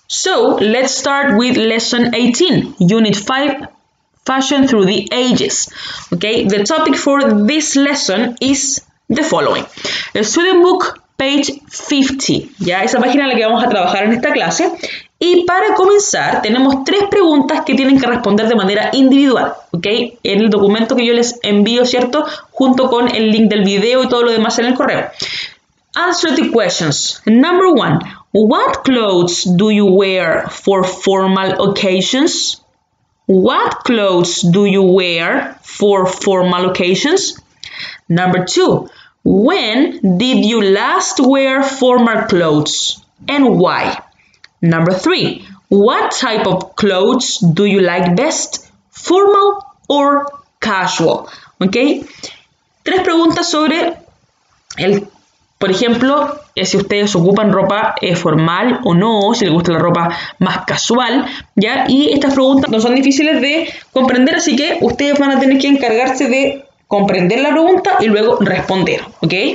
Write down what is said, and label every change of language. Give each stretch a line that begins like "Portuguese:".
English: So, let's start with lesson 18, unit 5, fashion through the ages. Okay, the topic for this lesson is the following. A student book, page 50.
Spanish: Ya, esa página en la que vamos a trabajar en esta clase Y para comenzar, tenemos tres preguntas que tienen que responder de manera individual, ¿ok? En el documento que yo les envío, ¿cierto? Junto con el link del video y todo lo demás en el correo.
English: Answer the questions. Number one, what clothes do you wear for formal occasions? What clothes do you wear for formal occasions? Number two, when did you last wear formal clothes and why? Number three, what type of clothes do you like best, formal or casual?
Spanish: Ok, tres preguntas sobre el, por ejemplo, si ustedes ocupan ropa formal o no, si les gusta la ropa más casual, ¿ya? Y estas preguntas no son difíciles de comprender, así que ustedes van a tener que encargarse de comprender la pregunta y luego responder, ¿ok?